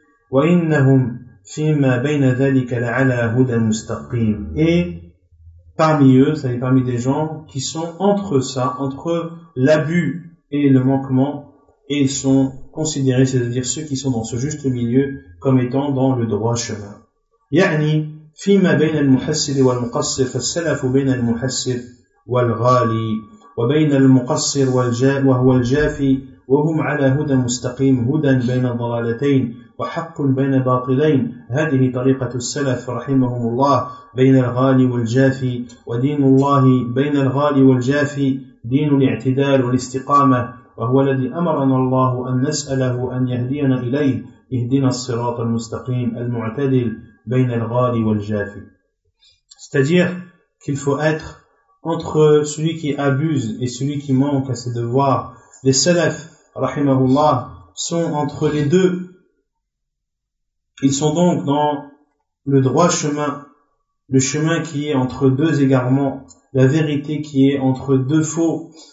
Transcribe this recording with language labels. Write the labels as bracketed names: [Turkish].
[Arabic] وإنهم فيما بين ذلك لعلى هدى مستقيم. [French] Et parmi eux, c'est-à-dire parmi des gens qui sont entre ça, entre l'abus et le manquement, et ils sont considérés, c'est-à-dire ceux qui sont dans ce juste milieu, comme étant dans le droit chemin. [Arabic] يعني فيما بين المحسر والمقصر فالسلف بين المحسر والغالي وبين المقصر وهو الجافي وهم على هدى مستقيم هدى بين الضلالتين وحق بين باطلين هذه طريقة السلف رحمهم الله بين الغالي والجافي ودين الله بين الغالي والجافي دين الاعتدال والاستقامة وهو الذي أمرنا الله أن نسأله أن يهدينا إليه اهدنا الصراط المستقيم المعتدل بين الغالي والجافي. [French] C'est-à-dire qu'il faut être entre celui qui abuse et celui qui manque à ses devoirs. Les salafs, rahimahullah, sont entre les deux. Ils sont donc dans le droit chemin, le chemin qui est entre deux égarements, la vérité qui est entre deux faux.